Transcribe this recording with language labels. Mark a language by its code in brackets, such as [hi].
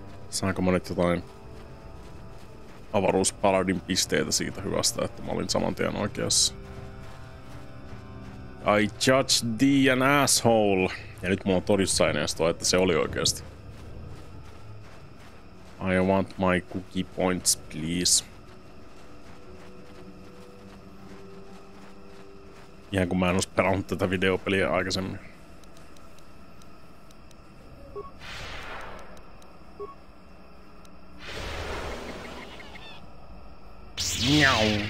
[fi] Saanko monet jotain avaruuspaladin pisteitä siitä hyvästä, että mä olin saman tien oikeassa. [en] I judge thee an asshole. [fi] Ja nyt mulla on todistusaineistoa, että se oli oikeasti. [en] I want my cookie points, please. [fi] Ihan kun mä en olisi pelannut tätä videopeliä aikaisemmin. Miau!